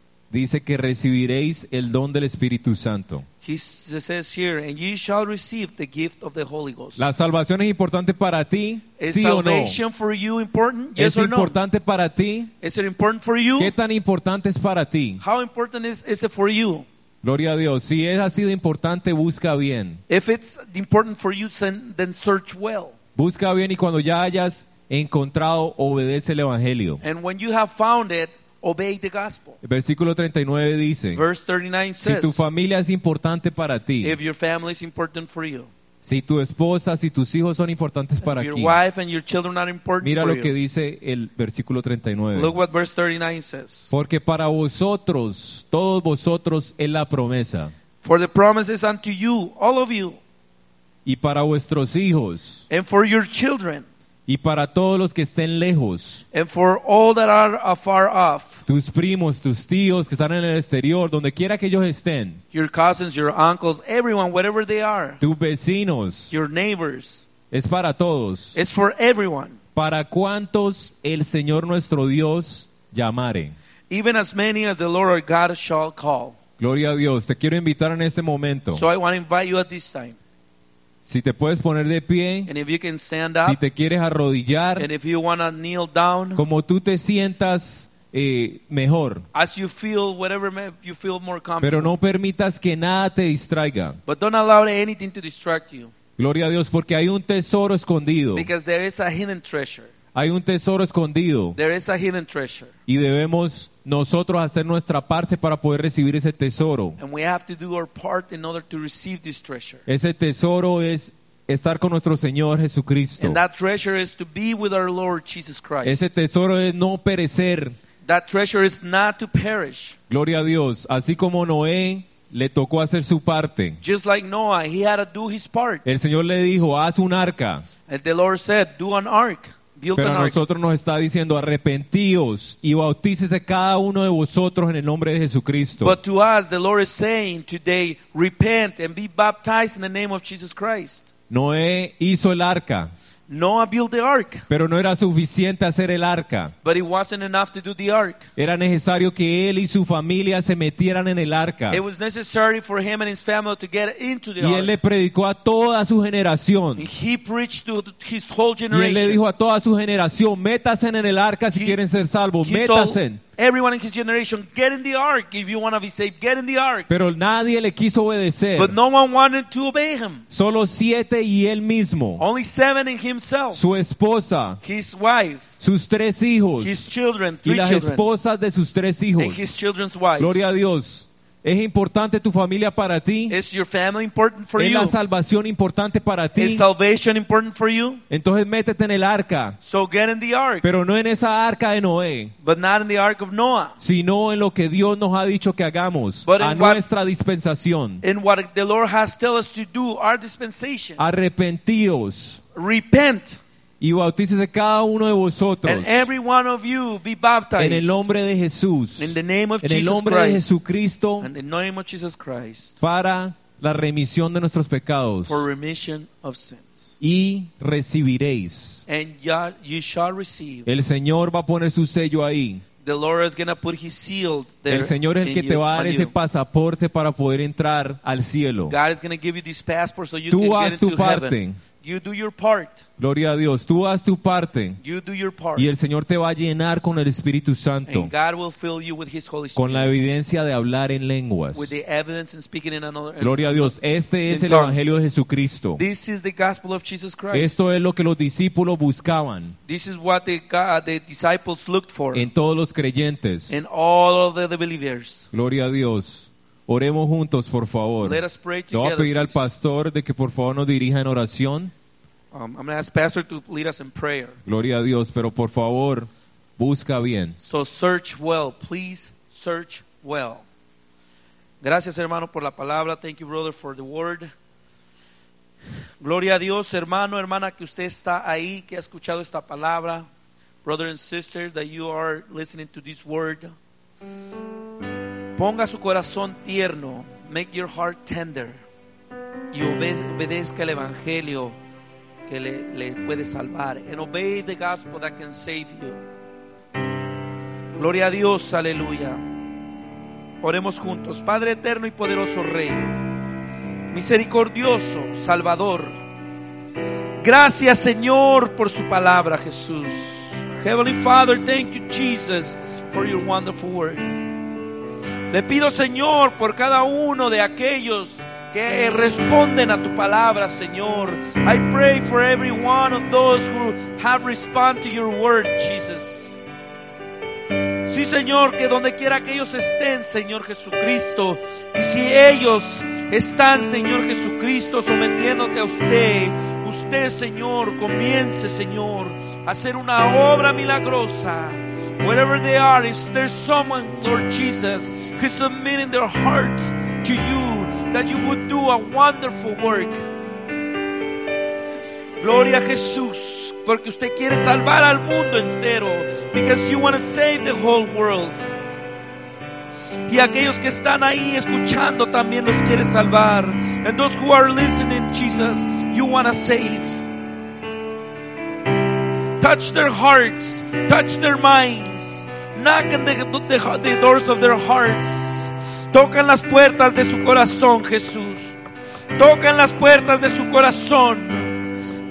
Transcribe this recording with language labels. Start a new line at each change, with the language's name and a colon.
Spanish: Dice que recibiréis el don del Espíritu Santo.
English: He says here, and you shall receive the gift of the Holy Ghost.
Spanish: La salvación es importante para ti,
English: is
Spanish: sí o no?
English: Salvation for you important? Yes or no?
Spanish: Es importante para ti.
English: Is it important for you?
Spanish: ¿Qué tan importante es para ti?
English: How important is it for you?
Spanish: Gloria a Dios. Si es ha sido importante, busca bien.
English: If it's important for you, then search well.
Spanish: Busca bien y cuando ya hayas encontrado, obedece el Evangelio.
English: And when you have found it. Obey the gospel.
Spanish: Versículo 39 dice.
English: Verse 39 says.
Spanish: Si tu familia es importante para ti.
English: If your family is important for you.
Spanish: Si tu esposa, si tus hijos son importantes para ti.
English: Your wife and your children are important for you.
Spanish: Mira lo que dice el versículo 39.
English: Look what verse 39 says.
Spanish: Porque para vosotros, todos vosotros es la promesa.
English: For the promise is unto you, all of you.
Spanish: Y para vuestros hijos.
English: And for your children.
Spanish: Y para todos los que estén lejos.
English: And for all that are afar off.
Spanish: Tus primos, tus tíos que están en el exterior, donde quiera que ellos estén.
English: Your cousins, your uncles, everyone, whatever they are.
Spanish: Tus vecinos.
English: Your neighbors.
Spanish: Es para todos.
English: It's for everyone.
Spanish: Para cuantos el Señor nuestro Dios llamare.
English: Even as many as the Lord our God shall call.
Spanish: Gloria a Dios. Te quiero invitar en este momento.
English: So I want to invite you at this time.
Spanish: Si te puedes poner de pie,
English: and if you can stand up,
Spanish: si te quieres arrodillar,
English: and if you wanna kneel down,
Spanish: como tú te sientas mejor,
English: as you feel, whatever you feel more comfortable.
Spanish: Pero no permitas que nada te distraiga.
English: But don't allow anything to distract you.
Spanish: Gloria a Dios, porque hay un tesoro escondido.
English: Because there is a hidden treasure.
Spanish: Hay un tesoro escondido.
English: There is a hidden treasure.
Spanish: Y debemos nosotros hacer nuestra parte para poder recibir ese tesoro.
English: And we have to do our part in order to receive this treasure.
Spanish: Ese tesoro es estar con nuestro Señor Jesucristo.
English: And that treasure is to be with our Lord Jesus Christ.
Spanish: Ese tesoro es no perecer.
English: That treasure is not to perish.
Spanish: Gloria a Dios. Así como Noé le tocó hacer su parte.
English: Just like Noah, he had to do his part.
Spanish: El Señor le dijo, haz un arca.
English: And the Lord said, do an ark.
Spanish: Pero a nosotros nos está diciendo arrepentíos y bautícese cada uno de vosotros en el nombre de Jesucristo.
English: But to us the Lord is saying today repent and be baptized in the name of Jesus Christ.
Spanish: Noé hizo el arca.
English: Noah built the ark.
Spanish: Pero no era suficiente hacer el arca.
English: But it wasn't enough to do the ark.
Spanish: Era necesario que él y su familia se metieran en el arca.
English: It was necessary for him and his family to get into the ark.
Spanish: Y él le predicó a toda su generación.
English: And he preached to his whole generation.
Spanish: Y él le dijo a toda su generación, métanse en el arca si quieren ser salvos, métanse.
English: Everyone in his generation, get in the ark if you want to be saved. Get in the ark.
Spanish: Pero nadie le quiso obedecer.
English: But no one wanted to obey him.
Spanish: Solo siete y él mismo.
English: Only seven in himself.
Spanish: Su esposa.
English: His wife.
Spanish: Sus tres hijos.
English: His children.
Spanish: Y las esposas de sus tres hijos.
English: And his children's wives.
Spanish: Gloria a Dios. ¿Es importante tu familia para ti?
English: Is your family important for you?
Spanish: ¿Es la salvación importante para ti?
English: Is salvation important for you?
Spanish: Entonces métete en el arca.
English: So get in the ark.
Spanish: Pero no en esa arca de Noé.
English: But not in the ark of Noah.
Spanish: Sino en lo que Dios nos ha dicho que hagamos.
English: But
Spanish: a nuestra dispensación.
English: In what the Lord has told us to do, our dispensation.
Spanish: Arrepentíos.
English: Repent.
Spanish: Y bautícese cada uno de vosotros.
English: And every one of you be baptized.
Spanish: En el nombre de Jesús.
English: In the name of
Spanish: en el
English: Jesus
Spanish: nombre
English: Christ.
Spanish: De Jesucristo.
English: In the name of Jesus Christ.
Spanish: Para la remisión de nuestros pecados.
English: For remission of sins.
Spanish: Y recibiréis.
English: And you shall receive.
Spanish: El Señor va a poner su sello ahí.
English: The Lord is going to put his seal there.
Spanish: El Señor es el que te va a dar ese pasaporte para poder entrar al cielo.
English: God is going to give you this passport so you
Spanish: tú
English: can get into
Spanish: parte.
English: Heaven. You do your part.
Spanish: Gloria a Dios. Tú haz tu parte.
English: You do your part.
Spanish: Y el Señor te va a llenar con el Espíritu Santo.
English: And God will fill you with His Holy Spirit.
Spanish: Con la evidencia de hablar en lenguas.
English: With the evidence in speaking in another.
Spanish: Gloria a Dios. Este es el Evangelio de Jesucristo.
English: This is the gospel of Jesus Christ.
Spanish: Esto es lo que los discípulos buscaban.
English: This is what the disciples looked for.
Spanish: En todos los creyentes.
English: In all of the believers.
Spanish: Gloria a Dios. Oremos juntos, por favor.
English: Let us pray together.
Spanish: Le voy a pedir al pastor de que por favor nos dirija en oración.
English: I'm going to ask pastor to lead us in prayer.
Spanish: Gloria a Dios, pero por favor, busca bien.
English: So search well, please search well.
Spanish: Gracias, hermano, por la palabra.
English: Thank you, brother, for the word.
Spanish: Gloria a Dios, hermano, hermana, que usted está ahí, que ha escuchado esta palabra.
English: Brother and sister, that you are listening to this word.
Spanish: Ponga su corazón tierno,
English: make your heart tender,
Spanish: y obedezca el evangelio que le puede salvar.
English: And obey the gospel that can save you.
Spanish: Gloria a Dios, aleluya. Oremos juntos. Padre eterno y poderoso Rey, misericordioso Salvador, gracias Señor por su palabra, Jesús.
English: Heavenly Father, thank you Jesus for your wonderful word.
Spanish: Le pido, Señor, por cada uno de aquellos que responden a tu palabra, Señor.
English: I pray for every one of those who have responded to your word, Jesus.
Spanish: Sí, Señor, que donde quiera que ellos estén, Señor Jesucristo. Y si ellos están, Señor Jesucristo, sometiéndote a usted, usted, Señor, comience, Señor, a hacer una obra milagrosa.
English: Wherever they are, if there's someone, Lord Jesus, who's submitting their heart to you, that you would do a wonderful work.
Spanish: Gloria a Jesús, porque usted quiere salvar al mundo entero.
English: Because you want to save the whole world.
Spanish: Y aquellos que están ahí escuchando también los quiere salvar.
English: And those who are listening, Jesus, you want to save. Touch their hearts, touch their minds, knock on the doors of their hearts.
Spanish: Tocan las puertas de su corazón, Jesús. Tocan las puertas de su corazón.